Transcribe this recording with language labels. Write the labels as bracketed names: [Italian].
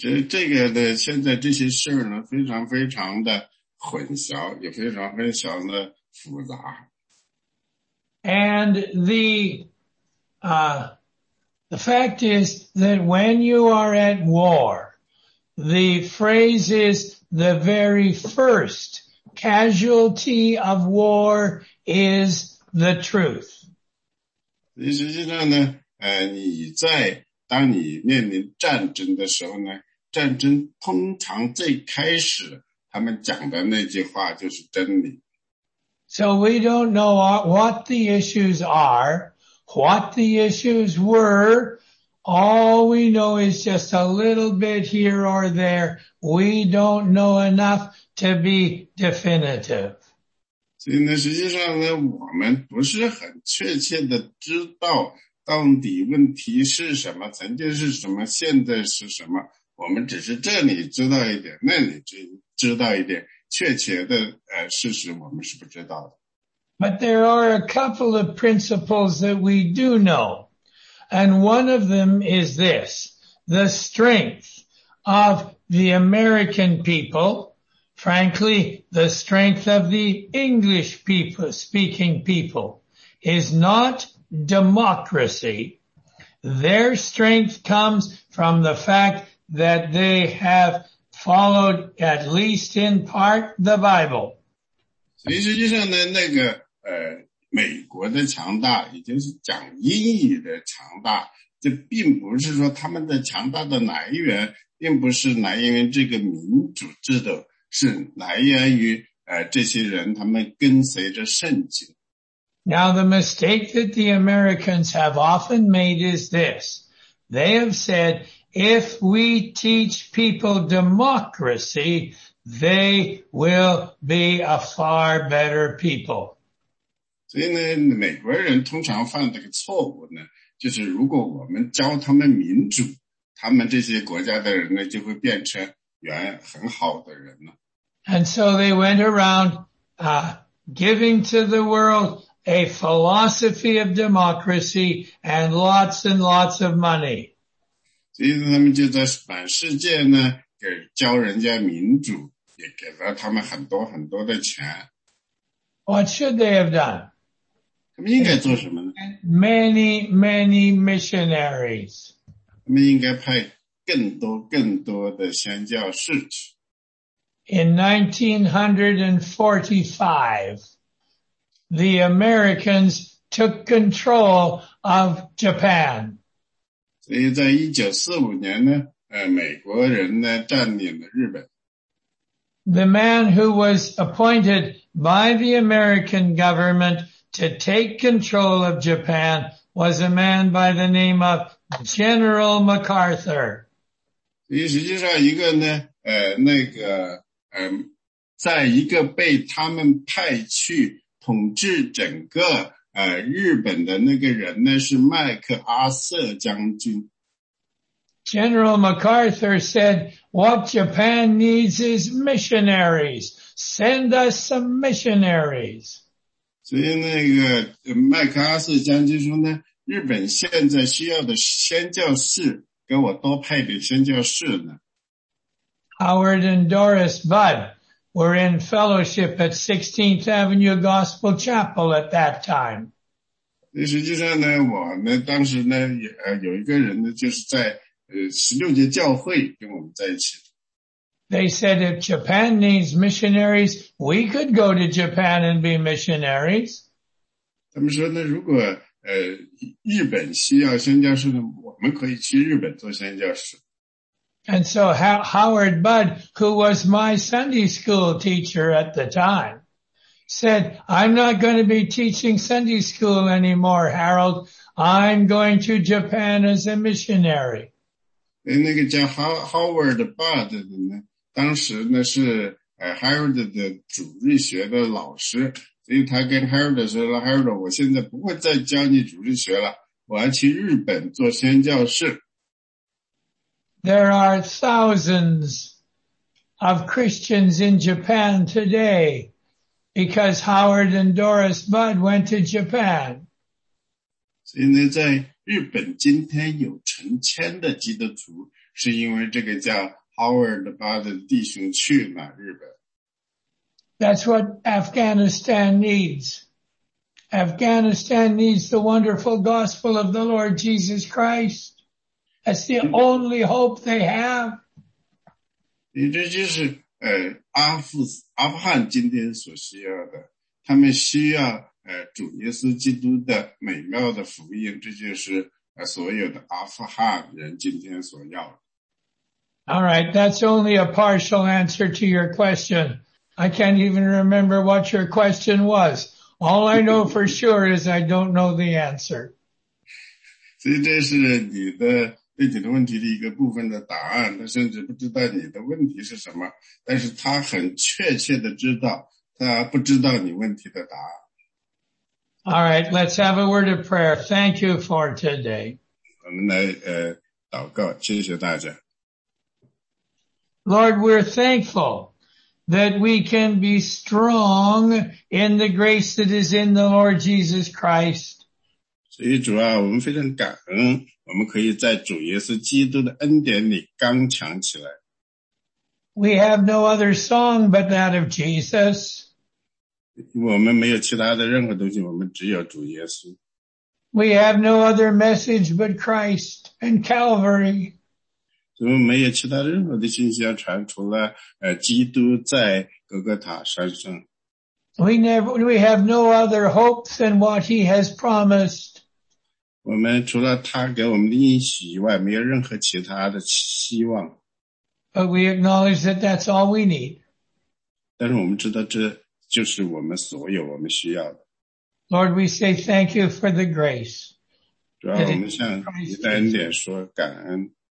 [Chinese] 这个的现在这些事呢非常非常的混淆也非常非常的复杂。 [English] And the fact is that when you are at war, the phrase is the very first casualty of war is the truth. [Chinese] 实际上呢你在当你面临战争的时候呢战争通常最开始他们讲的那句话就是真理。 [English] So we don't know what the issues are, what the issues were, all we know is just a little bit here or there, we don't know enough to be definitive. [Chinese] 所以呢，实际上呢，我们不是很确切的知道到底问题是什么，曾经是什么，现在是什么。我们只是这里知道一点，那里知道一点，确切的事实我们是不知道的。 [English] But there are a couple of principles that we do know, and one of them is this: the strength of the American people, frankly, the strength of the English people, speaking people, is not democracy. Their strength comes from the fact that they have followed, at least in part, the Bible. [Chinese] 实际上呢，那个美国的强大，也就是讲英语的强大，这并不是说他们的强大的来源，并不是来源于这个民主制度，是来源于这些人他们跟随着圣经。 [English] Now the mistake that the Americans have often made is this. They have said, if we teach people democracy, they will be a far better people. [Chinese] 所以呢，美国人通常犯这个错误呢，就是如果我们教他们民主，他们这些国家的人呢，就会变成原很好的人了。 [English] And so they went around, giving to the world a philosophy of democracy and lots of money. [Chinese] 所以他们就在满世界呢，给教人家民主，也给了他们很多很多的钱。 [English] What should they have done? [Chinese] 他们应该做什么呢? [English] Many, many missionaries. [Chinese] 他们应该派更多更多的宣教士去。 [English] In 1945, the Americans took control of Japan. [Chinese] 所以在1945年呢，美国人呢占领了日本。 [English] The man who was appointed by the American government to take control of Japan was a man by the name of General MacArthur. [Chinese] 实际上一个呢，那个，在一个被他们派去统治整个，日本的那个人呢，是麦克阿瑟将军。 [English] General MacArthur said, what Japan needs is missionaries. Send us some missionaries. [Chinese] 所以那个麦克阿瑟将军说呢，日本现在需要的宣教士，给我多派点宣教士呢。 [English] Howard and Doris Budd were in fellowship at 16th Avenue Gospel Chapel at that time. [Chinese] 实际上呢，我们当时呢，有一个人呢，就是在16届教会跟我们在一起。 [English] They said if Japan needs missionaries, we could go to Japan and be missionaries. [Chinese] 他们说呢，如果日本需要宣教士呢，我们可以去日本做宣教士。 [English] And so Howard Budd, who was my Sunday school teacher at the time, said, I'm not going to be teaching Sunday school anymore, Harold. I'm going to Japan as a missionary. [Chinese] 那个叫 Howard Budd 的呢，当时呢是 Harold 的主日学的老师，所以他跟 Harold 说 ,Harold, 我现在不会再教你主日学了，我要去日本做宣教士。 [English] There are thousands of Christians in Japan today because Howard and Doris Budd went to Japan. [Chinese] 所以呢，在日本今天有成千的基督徒，是因为这个叫 Howard Budd 的弟兄去了日本。 [English] That's what Afghanistan needs. Afghanistan needs the wonderful gospel of the Lord Jesus Christ. That's the only hope they have. [Chinese] 也这就是阿富汗今天所需要的，他们需要主耶稣基督的美妙的福音，这就是所有的阿富汗人今天所要的。 [English] All right, that's only a partial answer to your question. I can't even remember what your question was. All I know for sure is I don't know the answer. [Chinese] 所以这是你的对你的问题的一个部分的答案，他甚至不知道你的问题是什么，但是他很确切的知道，他不知道你问题的答案。 [English] All right, let's have a word of prayer. Thank you for today. [Chinese] 我们来祷告，谢谢大家。 [English] Lord, we're thankful that we can be strong in the grace that is in the Lord Jesus Christ. [Chinese] 所以主啊，我们非常感恩，我们可以在主耶稣基督的恩典里刚强起来。 [English] We have no other song but that of Jesus. [Chinese] 我们没有其他的任何东西，我们只有主耶稣。 [English] We have no other message but Christ and Calvary. [Chinese] 我们没有其他任何的信息要传，除了基督在哥哥塔山上。 [English] We have no other hope than what he has promised. [Chinese] 我们除了他给我们的应许以外，没有任何其他的希望。 [English] But we acknowledge that that's all we need. [Chinese] 但是我们知道这就是我们所有我们需要的。 [English] Lord, we say thank you for the grace. [Chinese] 主要我们向你的恩典说感恩。